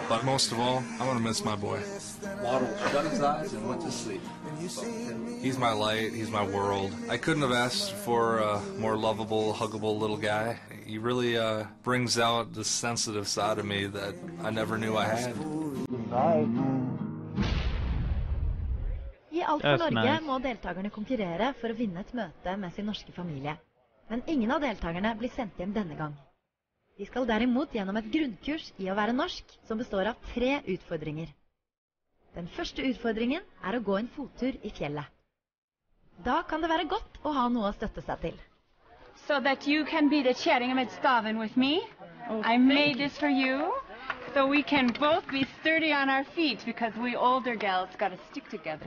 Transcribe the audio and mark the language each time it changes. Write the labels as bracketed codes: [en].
[en] But most of all, I'm gonna miss my boy. Waddle shut his eyes and went to sleep. He's my light. He's my world. I couldn't have asked for a more lovable, huggable little guy. He really brings out the sensitive side of me that I never knew I had. [no] I alt for Norge må deltagerne konkurrere for å vinne et møte med sin norske familie. Men ingen av deltagerne blir sendt hjem denne gang. De skal derimot gjennom et grunnkurs I å være norsk, som består av tre utfordringer. Den første utfordringen å gå en fottur I fjellet. Da kan det være godt å ha noe å støtte seg til. [en] So that you can be the sharing of staven with me. I made this for you so we can both be sturdy on our feet because we older gals got to stick together.